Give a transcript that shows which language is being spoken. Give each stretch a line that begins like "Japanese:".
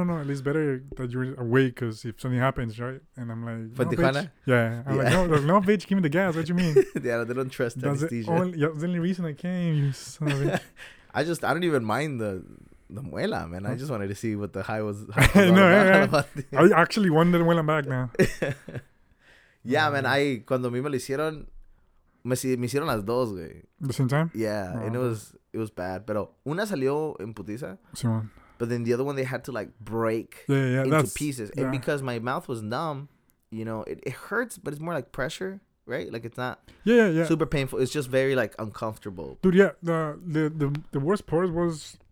English: At least better that you're awake, because if something happens, right? And I'm like, no, bitch. Like, no, bitch, give me the gas. What do you mean? Yeah, they don't trust anesthesia. The only reason I came, you son of a bitch. I don't even mind the muela, man. I just wanted to see what the high was. I actually wanted the muela back now. Yeah, man.
Spanish: I, cuando a mí me lo hicieron, me hicieron las dos, güey.
English: The same time? Yeah. Oh, and it was bad. Pero una salió en putiza.
Spanish: Sí, man.
English: But then the other one, they had to, like, break into pieces. Yeah. And because my mouth was numb, you know, it hurts, but it's more like pressure, right? Like, it's not super painful. It's just very, like, uncomfortable. Dude, yeah. The worst part was...